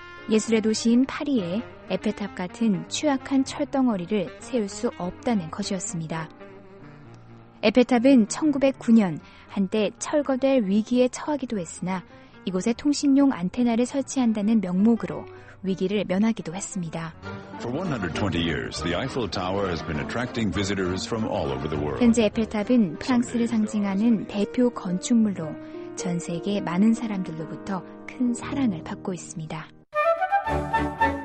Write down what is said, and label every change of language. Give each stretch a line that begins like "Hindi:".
Korean: 예술의 도시인 파리에 에펠탑 같은 추악한 철덩어리를 세울 수 없다는 것이었습니다. 에펠탑은 1909년 한때 철거될 위기에 처하기도 했으나 이곳에 통신용 안테나를 설치한다는 명목으로 위기를 면하기도 했습니다.
English: For 120 years, the Eiffel Tower has been attracting visitors from all over the world.
Korean: 현재 에펠탑은 프랑스를 상징하는 대표 건축물로 전 세계 많은 사람들로부터 큰 사랑을 받고 있습니다.